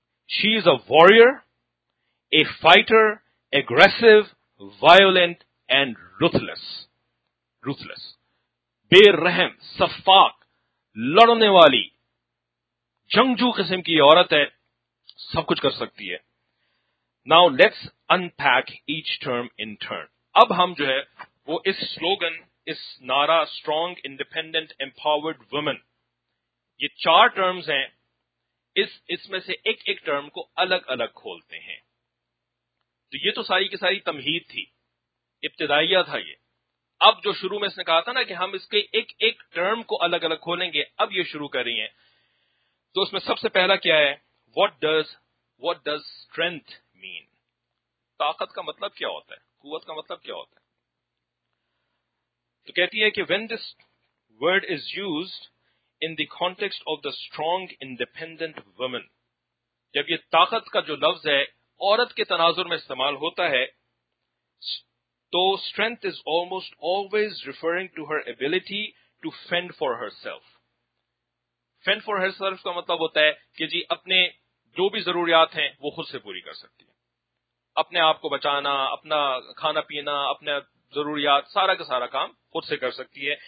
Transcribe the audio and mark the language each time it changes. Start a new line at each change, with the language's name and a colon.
English: she is a warrior, a fighter, aggressive, violent and ruthless,
Urdu: بے رحم, صفاق, لڑنے والی, جنگجو قسم کی عورت ہے, سب کچھ کر سکتی ہے.
English: Now let's unpack each term in turn.
Urdu: اب ہم جو ہے وہ اس سلوگن, اس نارا
English: strong, independent, empowered woman,
Urdu: یہ چار terms ہیں, اس میں سے ایک ایک ٹرم کو الگ الگ کھولتے ہیں. تو یہ تو ساری کی ساری تمہید تھی, ابتدائیہ تھا یہ. اب جو شروع میں اس نے کہا تھا نا کہ ہم اس کے ایک ایک ٹرم کو الگ الگ کھولیں گے, اب یہ شروع کر رہی ہیں. تو اس میں سب سے پہلا کیا ہے,
English: what does strength mean,
Urdu: طاقت کا مطلب کیا ہوتا ہے, قوت کا مطلب کیا ہوتا ہے. تو کہتی ہے کہ
English: when this word is used in the context of the strong independent woman,
Urdu: جب یہ طاقت کا جو لفظ ہے عورت کے تناظر میں استعمال ہوتا ہے, تو
English: strength is almost always referring to her ability to fend for herself.
Urdu: Fend for herself کا مطلب ہوتا ہے کہ جی اپنے جو بھی ضروریات ہیں وہ خود سے پوری کر سکتی ہے, اپنے آپ کو بچانا, اپنا کھانا پینا, اپنے ضروریات, سارا کا سارا کام خود سے کر سکتی ہے.